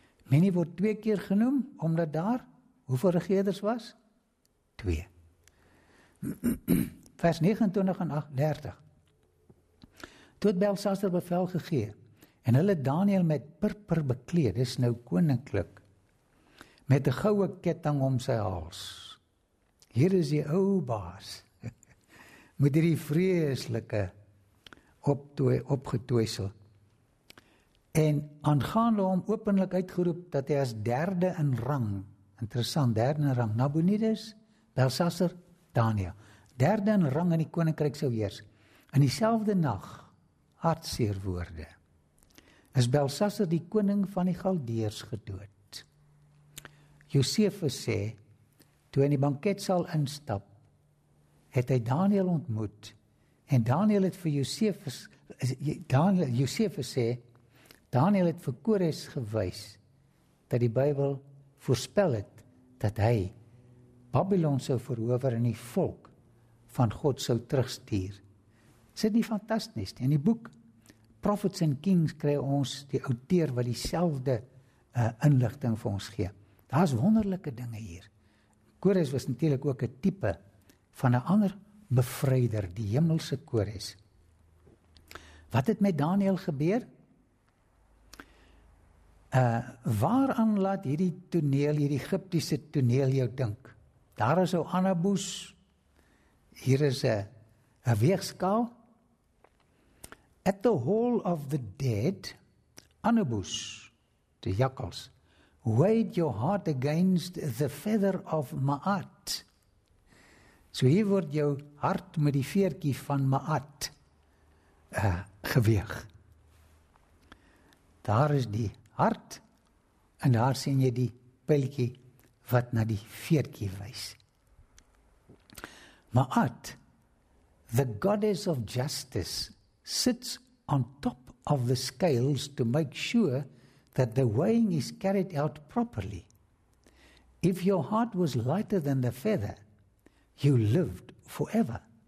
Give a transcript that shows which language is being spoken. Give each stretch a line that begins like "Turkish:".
Afrikaans: Many word twee keer genoem, omdat daar, hoeveel regeerders was? Twee. Vers 29 en 38. Toe het Belsasser bevel gegee, en hulle Daniel met purper bekleed, is nou koninklik, met een gouden ketting om sy hals. Hier is die ou baas, met die vreeslike opgetoesel. En aangaande hom openlik uitgeroep dat hy as derde in rang, interessant, derde in rang, Nabonides, Belsasser, Daniel, derde in rang in die koninkryk sou heers. In dieselfde nag, hartseer woorde, is Belsasser die koning van die Galdeers gedood. Josefus sê, toe in die banket sal instap, het hy Daniel ontmoet, en Daniel het vir Josefus, Josefus sê, Daniel het vir Kores gewys, dat die Bybel voorspel het, dat hy Babylon sou verower en die volk van God sou terugstuur. Sit nie fantasties nie, in die boek Prophets and Kings kry ons die outeur wat dieselfde inligting vir ons gee. Daar is wonderlike dinge hier. Kores was natuurlijk ook een type van een ander bevryder, die hemelse Kores. Wat het met Daniel gebeur? Waaraan laat hierdie toneel, hierdie Egiptiese toneel jou dink? Daar is ou Anabus, hier is een weegskaal.
English: At the hall of the dead, Anabus,
Afrikaans: die jakkels,
English: weighed your heart against the feather of Maat.
Afrikaans: So hier word jou hart met die veerkie van Maat geweeg. Daar is die hart, en daar sien jy die pylkie wat na die veerkie wys.
English: Maat, the goddess of justice, sits on top of the scales to make sure that the weighing is carried out properly. If your heart was lighter than the feather, you lived forever.